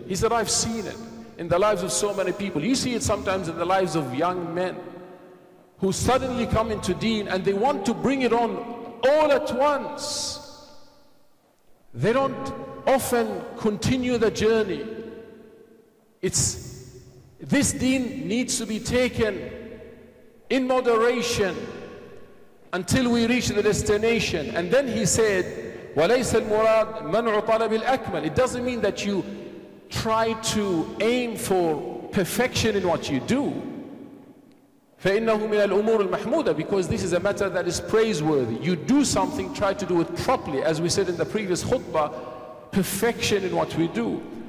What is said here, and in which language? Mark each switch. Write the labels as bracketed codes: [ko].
[en] He said, I've seen it in the lives of so many people. You see it sometimes in the lives of young men who suddenly come into deen and they want to bring it on all at once. They don't often continue the journey. This deen needs to be taken in moderation until we reach the destination. And then he said, [ar] وَلَيْسَ الْمُرَادْ مَنْعُ طَلَبِ الْأَكْمَلِ. [en] It doesn't mean that you try to aim for perfection in what you do. [ar] فَإِنَّهُ مِنَ الْأُمُورِ الْمَحْمُودَ. [en] Because this is a matter that is praiseworthy. You do something, try to do it properly. As we said in the previous khutbah, perfection in what we do.